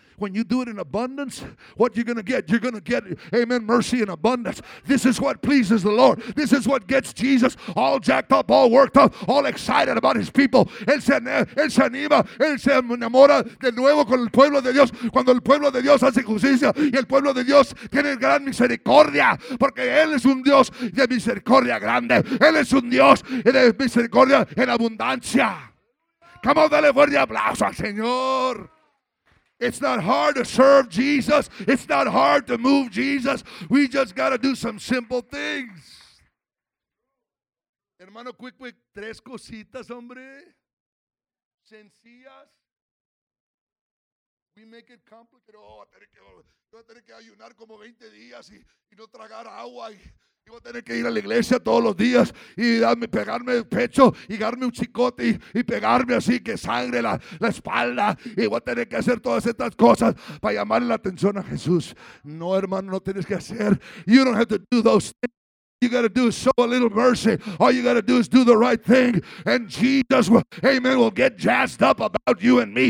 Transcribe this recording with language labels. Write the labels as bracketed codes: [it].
[en] When you do it in abundance, what you're going to get? You're going to get, amen, mercy in abundance. This is what pleases the Lord. This is what gets Jesus all jacked up, all worked up, all excited about his people. [es] Él se anima, él se enamora de nuevo con el pueblo de Dios. Cuando el pueblo de Dios hace justicia y el pueblo de Dios tiene gran misericordia, porque él es un Dios de misericordia grande. Él es un Dios de misericordia en abundancia. [en] Come on, [es] dale fuerte aplauso al Señor. [en] It's not hard to serve Jesus. It's not hard to move Jesus. We just got to do some simple things. [es] Hermano, quick, tres cositas, hombre. Sencillas. [en] We make it complicated. [es] Oh, voy a tener que ayunar como 20 días y no tragar agua. Y voy a tener que ir a la iglesia todos los días y pegarme el pecho y darme un chicote y pegarme así que sangre la espalda. Y voy a tener que hacer todas estas cosas para llamar la atención a Jesús. No, hermano, no tienes que hacer. [en] You don't have to do those things. You got to do is show a little mercy. All you got to do is do the right thing. And Jesus, amen, will get jazzed up about you and me.